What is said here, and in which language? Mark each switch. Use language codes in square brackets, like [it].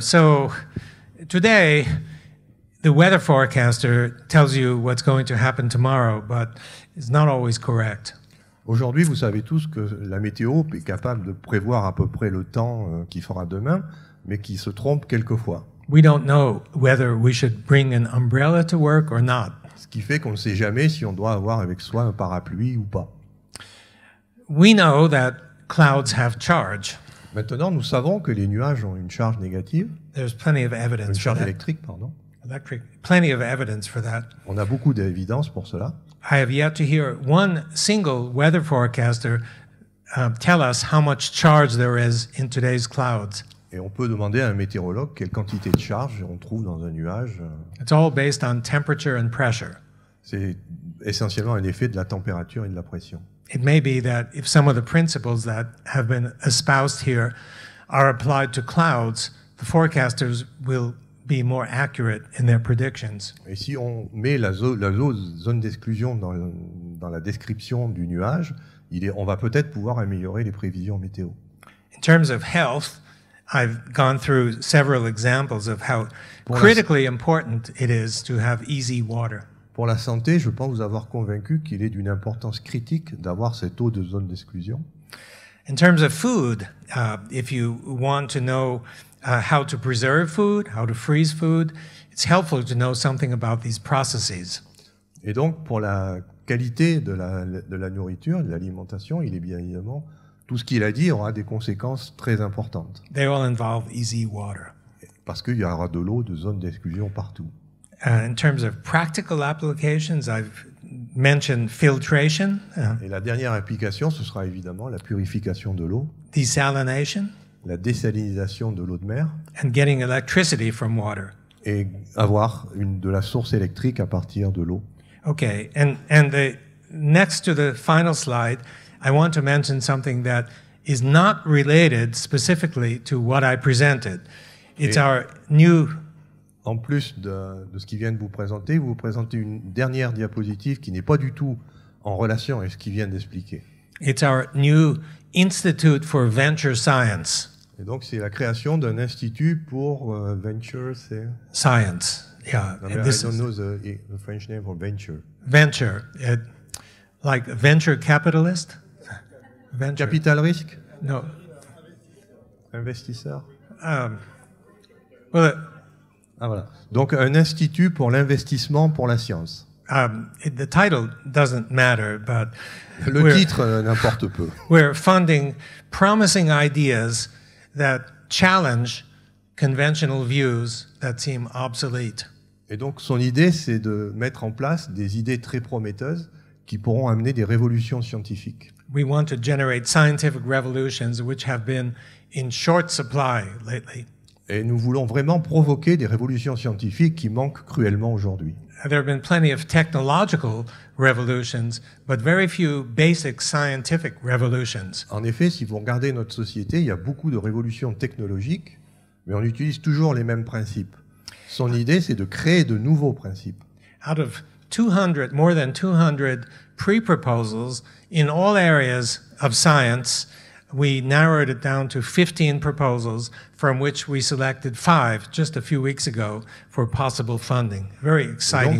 [en] So, today, the weather forecaster tells you what's going to happen tomorrow, but it's not always correct. [fr] Aujourd'hui, vous savez tous que la météo est capable de prévoir à peu près le temps qu'il fera demain, mais qui se trompe quelquefois. [en] We don't know whether we should bring an umbrella to work or not. [fr] Ce qui fait qu'on ne sait jamais si on doit avoir avec soi un parapluie ou pas. [en] We know that clouds have charge. [fr] Maintenant, nous savons que les nuages ont une charge négative. [en] There's plenty of evidence for that. [fr] Une charge électrique, pardon. [en] Electric, plenty of evidence for that. [fr] On a beaucoup d'évidence pour cela. [en] I have yet to hear one single weather forecaster tell us how much charge there is in today's clouds. [fr] Et on peut demander à un météorologue quelle quantité de charge on trouve dans un nuage. [en] It's all based on temperature and pressure. [fr] C'est essentiellement un effet de la température et de la pression. [en] It may be that if some of the principles that have been espoused here are applied to clouds, the forecasters will be more accurate in their predictions. [fr] Et si on met la zone d'exclusion dans la description du nuage, on va peut-être pouvoir améliorer les prévisions météo. [en] In terms of health, I've gone through several examples of how critically important it is to have easy water. [fr] Pour la santé, je pense vous avoir convaincu qu'il est d'une importance critique d'avoir cette eau de zone d'exclusion. [en] In terms of food, if you want to know how to preserve food, how to freeze food, it's helpful to know something about these processes. [fr] Et donc, pour la qualité de la nourriture, de l'alimentation, il est bien évidemment, tout ce qu'il a dit aura des conséquences très importantes. [en] They all involve easy water. [fr] Parce qu'il y aura de l'eau de zone d'exclusion partout. [en] In terms of practical applications, I've mentioned filtration. [fr] Et la dernière application, ce sera évidemment la purification de l'eau. [en] Desalination. [fr] La désalinisation de l'eau de mer. [en] And getting electricity from water. [fr] Et avoir de la source électrique à partir de l'eau. [en] Okay, and the next to the final slide, I want to mention something that is not related specifically to what I presented. It's our new. [fr] En plus de ce qu'il vient de vous présentez une dernière diapositive qui n'est pas du tout en relation avec ce qu'il vient d'expliquer. [en] It's our new Institute for Venture Science. [fr] Et donc c'est la création d'un institut pour venture [en] science. Yeah. I don't know the French name for venture. Venture. Like venture capitalist? Venture. Capital risk? No. [fr] Investisseur? [en] Well, [fr] voilà. Donc un institut pour l'investissement pour la science. [en] The title doesn't matter, but [fr] le titre n'importe peu. [en] We're funding promising ideas that challenge conventional views that seem obsolete. [fr] Et donc son idée, c'est de mettre en place des idées très prometteuses qui pourront amener des révolutions scientifiques. [en] We want to generate scientific revolutions which have been in short supply lately. [fr] Et nous voulons vraiment provoquer des révolutions scientifiques qui manquent cruellement aujourd'hui. [en] There have been plenty of technological revolutions, but very few basic scientific revolutions. [fr] En effet, si vous regardez notre société, il y a beaucoup de révolutions technologiques, mais on utilise toujours les mêmes principes. Son idée, c'est de créer de nouveaux principes. [en] Out of 200, more than 200 pre-proposals in all areas of science, we narrowed it down to 15 proposals from which we selected 5 just a few weeks ago for possible funding. Very exciting.